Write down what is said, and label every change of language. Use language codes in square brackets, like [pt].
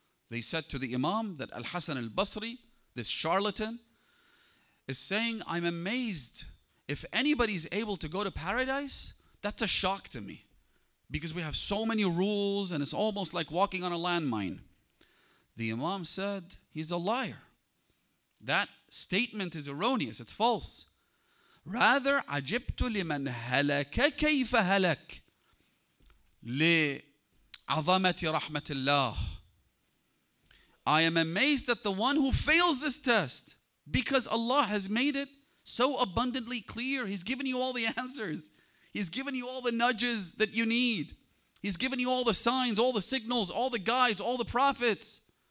[en] They said to the Imam that Al-Hasan al-Basri, this charlatan, is saying, I'm amazed if anybody's able to go to paradise, that's a shock to me. Because we have so many rules and it's almost like walking on a landmine. The Imam said, he's a liar. That statement is erroneous, it's false. Rather, [ar] عجبت لمن هلك كيف هلك لعظمة رحمة الله. [en] I am amazed at the one who fails this test because Allah has made it so abundantly clear. He's given you all the answers. He's given you all the nudges that you need. He's given you all the signs, all the signals, all the guides, all the prophets.